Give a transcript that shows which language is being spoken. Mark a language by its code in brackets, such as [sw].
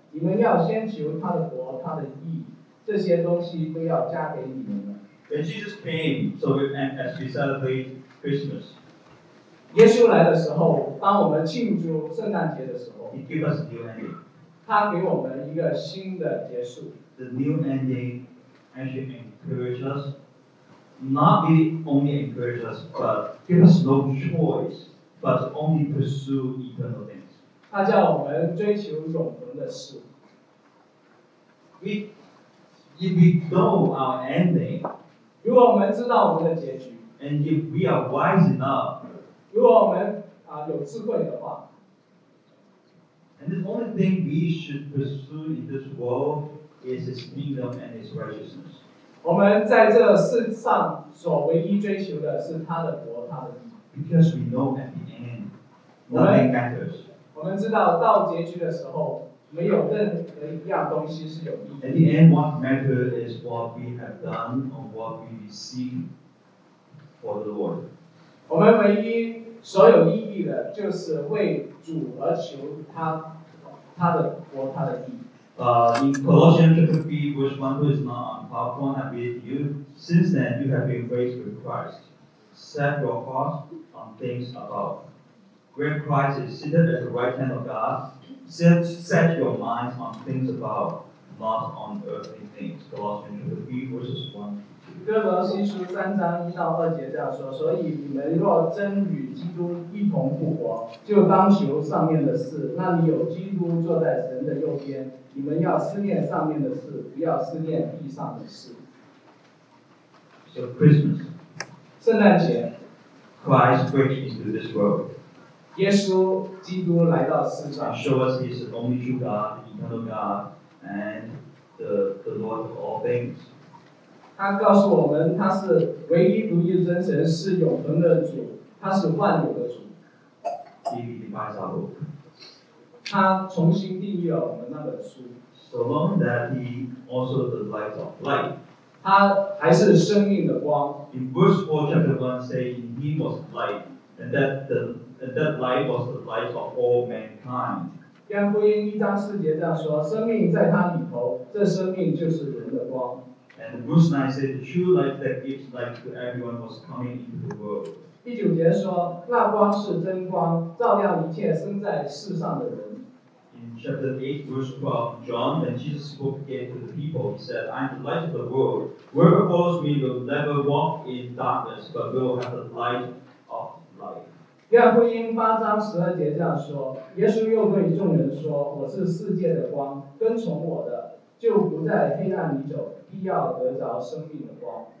[zh] 你们要先求他的国、他的义，这些东西都要加给你们了。 [en] When Jesus came, so we end as we celebrate Christmas. [zh] 耶稣来的时候，当我们庆祝圣诞节的时候 [en] ，He gave us a new ending. [zh] 他给我们一个新的结束。 [en] The new ending actually encourages us, not be only encourages us, but give us no choice, but only pursue eternal things. [zh] 他叫我们追求永恒的事。 [en] If we know our ending, [zh] 如果我们知道我们的结局 [en] and if we are wise enough, [zh] 如果我们有智慧的话 [en] and the only thing we should pursue in this world. Is his kingdom and his righteousness. [zh] 我们在这世上所唯一追求的是他的国，他的义。 [en] Because we know at the end, nothing matters. [zh] 我们知道到结局的时候，没有任何一样东西是有意义的。 [en] At the end, what matters is what we have done or what we receive for the Lord. [zh] 我们唯一所有意义的，就是为主而求他，他的国，他的义。 [en] In Colossians chapter 3, verse 1 to 9, on part 1, I read to you, since then you have been raised with Christ. Set your heart on things above. When Christ is seated at the right hand of God, set your mind on things above, not on earthly things. Colossians chapter 3, verses 1 to 2. [zh] 哥罗西书三章一到二节这样说，所以你们若真与基督一同复活，就当求上面的事，那里有基督坐在神的右边。你们要思念上面的事，不要思念地上的事。 [en] So Christmas, [zh] 圣诞节 [en] ，Christ breaks into this world. [zh] 耶稣基督来到世上 [en] ，show us he's the only true God, eternal God, and the Lord of all things. [zh] 他告诉我们，他是唯一独一真神，是永恒的主，他是万有的主。 [en] He redefines our world. [zh] 他重新定义了我们那本书。 [en] So long that he also the light of light. [zh] 他还是生命的光。 [en] In verse 4, chapter 1, say, he was light, and that light was the light of all mankind. [zh] 约翰福音一章四节这样说，生命在他里头，这生命就是人的光。 [en] And verse 9 said, the true light that gives light to everyone was coming into the world. [zh] 第九节说，那光是真光，照亮一切生在世上的人。 [en] In chapter 8, verse 12, John, when Jesus spoke again to the people, he said, I am the light of the world. Whoever follows me will never walk in darkness, but will have the light of life. [zh] 约翰福音八章十二节这样说，耶稣又对众人说，我是世界的光，跟从我的，就不在黑暗里走，必要得着生命的光。